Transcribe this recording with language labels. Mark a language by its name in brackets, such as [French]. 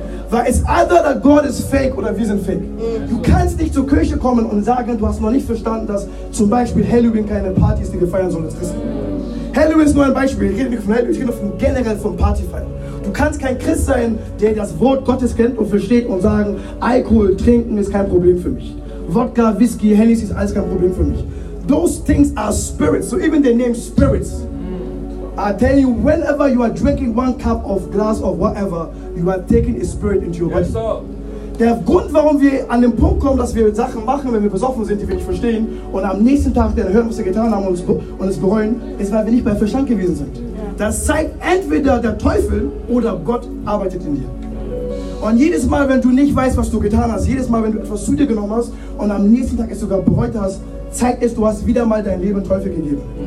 [German] Weil es [English] either that God is fake [German] oder wir sind fake. Du kannst nicht zur Kirche kommen und sagen, du hast noch nicht verstanden, dass zum Beispiel Halloween keine Party ist, die wir feiern sollen als Christen. Halloween ist nur ein Beispiel, ich rede nicht von Halloween, ich rede von generell von Partyfeiern. Du kannst kein Christ sein, der das Wort Gottes kennt und versteht und sagen, Alkohol trinken ist kein Problem für mich. Wodka, Whisky, Hennessy ist alles kein Problem für mich. [English] Those things are spirits. So even the name spirits. I tell you, whenever you are drinking one cup of glass of whatever, you are taking a spirit into your body. [German] Der Grund, warum wir an den Punkt kommen, dass wir Sachen machen, wenn wir besoffen sind, die wir nicht verstehen, und am nächsten Tag dann hören, was wir getan haben und es bereuen, ist, weil wir nicht bei Verstand gewesen sind. Das zeigt entweder der Teufel oder Gott arbeitet in dir. Und jedes Mal, wenn du nicht weißt, was du getan hast, jedes Mal, wenn du etwas zu dir genommen hast und am nächsten Tag es sogar bereut hast, zeigt es, du hast wieder mal dein Leben Teufel gegeben.